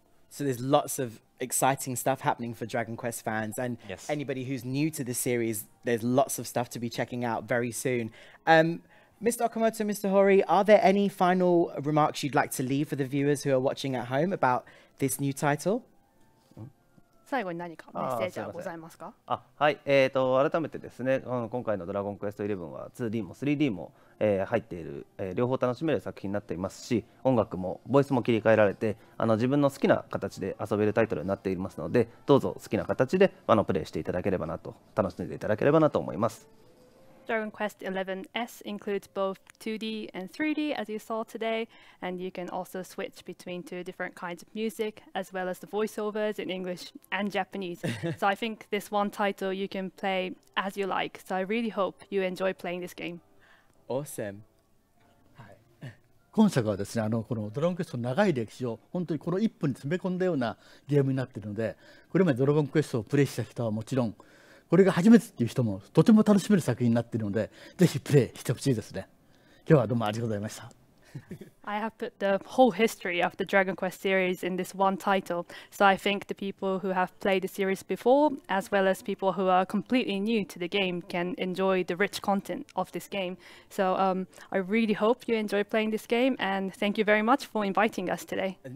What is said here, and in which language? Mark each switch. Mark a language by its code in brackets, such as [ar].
[en] So there's lots of exciting stuff happening for Dragon Quest fans and anybody who's new to the series, there's lots of stuff to be checking out very soon. Mr. Okamoto, Mr. Hori, are there any final remarks you'd like to leave for the viewers who are watching at home about this new title? [ja] 最後に何かメッセージはございますか？はい、改めてですね、今回のドラゴンクエスト11は 2D も 3D も、入っている、両方楽しめる作品になっていますし、音楽もボイスも切り替えられて、自分の好きな形で遊べるタイトルになっていますので、どうぞ好きな形でプレイしていただければなと、楽しんでいただければなと思います。 [en] Dragon Quest XI S includes both 2D and 3D, as you saw today, and you can also switch between two different kinds of music, as well as the voiceovers in English and Japanese. So I think this one title you can play as you like. So I really hope you enjoy playing this game. Awesome. [ja] 今作はですね、このドラゴンクエストの長い歴史を本当にこの1分に詰め込んだようなゲームになっているので、これまでドラゴンクエストをプレイした人はもちろん、これが初めてっていう人もとても楽しめる作品になっているので、ぜひプレイしてほしいですね。今日はどうもありがとうございました。 [en] I have put the whole history of the Dragon Quest series in this one title, so I think the people who have played the series before, as well as people who are completely new to the game, can enjoy the rich content of this game. So I really hope you enjoy playing this game, and thank you very much for inviting us today.